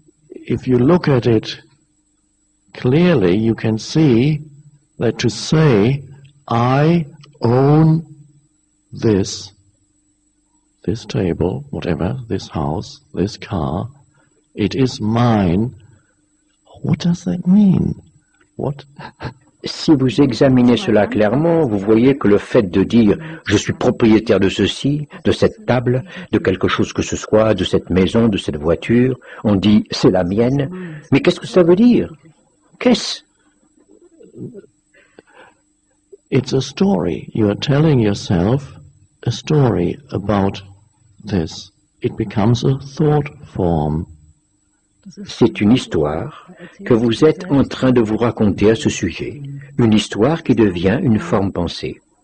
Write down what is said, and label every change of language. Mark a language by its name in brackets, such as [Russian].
[English] If you look at it clearly, you can see that to say, I own this table, whatever, this house, this car, it is mine. What does that mean? What? [French] Si vous examinez cela clairement, vous voyez que le fait de dire « je suis propriétaire de ceci, de cette table, de quelque chose que ce soit, de cette maison, de cette voiture », on dit « c'est la mienne ». Mais qu'est-ce que ça veut dire? Qu'est-ce? [English] It's a story. You are telling yourself a story about this. It becomes a thought form. [French] C'est une histoire que vous êtes en train de vous raconter à ce sujet, une histoire qui devient une forme pensée.